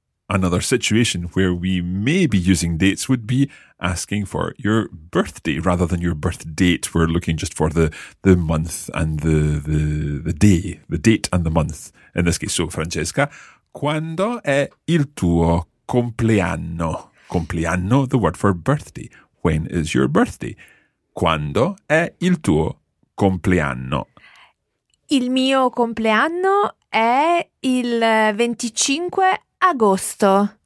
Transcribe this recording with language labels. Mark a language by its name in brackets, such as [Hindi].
[English] Another situation where we may be using dates would be asking for your birthday rather than your birth date. We're looking just for the month and the day, the date and the month. In this case, so [Italian] Francesca, quando è il tuo compleanno? [English] Compleanno, the word for birthday. When is your birthday? [Italian] Quando è il tuo compleanno? Il mio compleanno è il 25 agosto.